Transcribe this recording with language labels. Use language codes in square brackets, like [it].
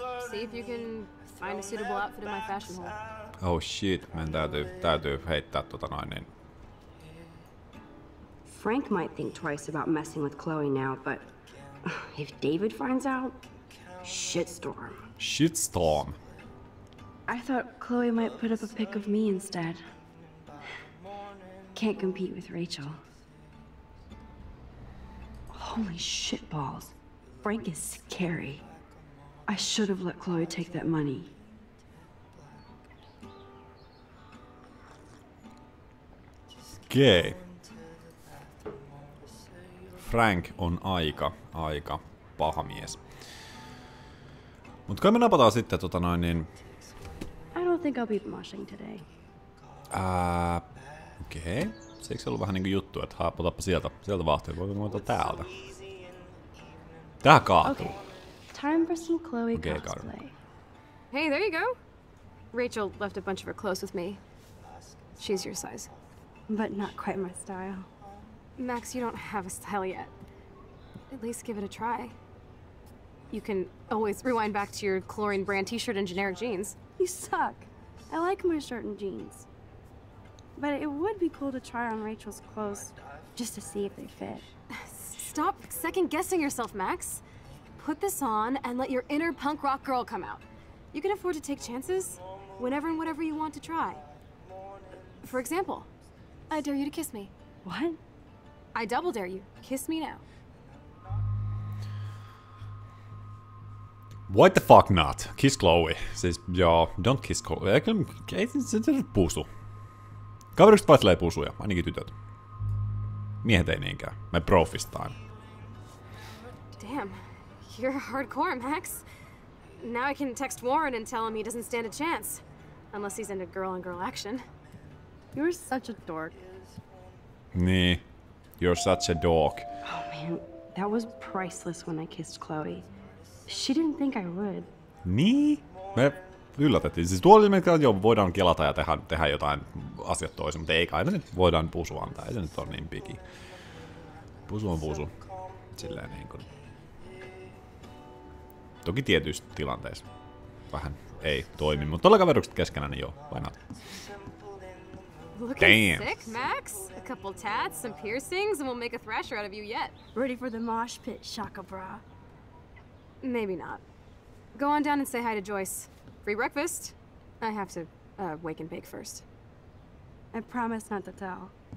[en] See if you can find a suitable outfit in my fashion hall. Oh shit, man, [fi] täytyy heittää tota noin niin. [en] Frank might think twice about messing with Chloe now, but if David finds out, shitstorm. Shitstorm. I thought Chloe might put up a pic of me instead. Can't compete with Rachel. Holy shitballs. Frank is scary. I should have let Chloe take that money. Okay. [fi] Frank on aika paha mies. Mut kai me napataan sitten tota noin niin. [en] I don't think I'll be moshing today. Okei. Okay. [fi] Se eikö ollut vähän niinku juttu, että otappa sieltä vahtia, voiko me ottaa täältä. Tää kaatuu. [en] Okay. Time for some Chloe cosplay. Hey, there you go. Rachel left a bunch of her clothes with me. She's your size. But not quite my style. Max, you don't have a style yet. At least give it a try. You can always rewind back to your chlorine brand t-shirt and generic jeans. You suck. I like my shirt and jeans. But it would be cool to try on Rachel's clothes just to see if they fit. Stop second-guessing yourself, Max. Put this on and let your inner punk rock girl come out. You can afford to take chances whenever and whatever you want to try. For example, I dare you to kiss me. What? I double dare you. Kiss me now. What the fuck not? Kiss Chloe. [fi] Siis joo, [en] don't kiss Chloe. [fi] Ei se pusu. Kaverukset vaihtelee pusuja, ainakin tytöt. Miehet ei niinkään. Me profistaan. [en] Damn, you're hardcore, Max. Now I can text Warren and tell him he doesn't stand a chance. Unless he's into girl-on-girl action. You're such a dork. Niin. You're such a dork. Oh man, that was priceless when I kissed Chloe. She didn't think I would. [fi] Niin? Me yllätettiin. Siis tuolla me jo voidaan kelata ja tehdä jotain asiat toisin, mutta ei kai me nyt voidaan pusu antaa. Ei se nyt ole niin piki. Pusu on pusu. Silleen niin kuin. Toki tietyissä tilanteissa vähän ei toimi, mutta tuolla kaverukset keskenään, niin joo, [en] why not? Looking damn sick, Max. A couple tats, some piercings, and we'll make a thrasher out of you yet. Ready for the mosh pit, Shaka Bra? Maybe not. Go on down and say hi to Joyce. Free breakfast. I have to wake and bake first. I promise not to tell.